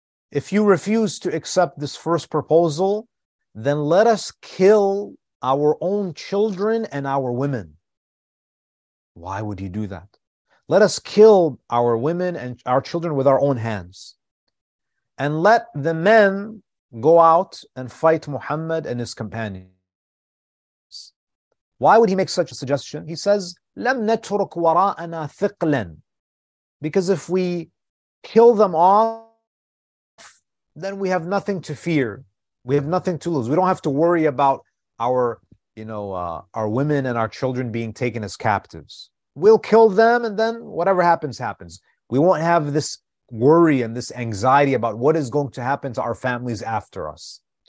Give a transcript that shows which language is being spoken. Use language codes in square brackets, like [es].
[en] If you refuse to accept this first proposal, then let us kill our own children and our women. Why would he do that? Let us kill our women and our children with our own hands. And let the men go out and fight Muhammad and his companions. Why would he make such a suggestion? He says, [ar] لَمْ نَتْرُكْ وَرَاءَنَا ثِقْلًا. [en] Because if we kill them off, then we have nothing to fear. We have nothing to lose. We don't have to worry about our, you know, our women and our children being taken as captives. We'll kill them, and then whatever happens, happens. We won't have this worry and this anxiety about what is going to happen to our families after us.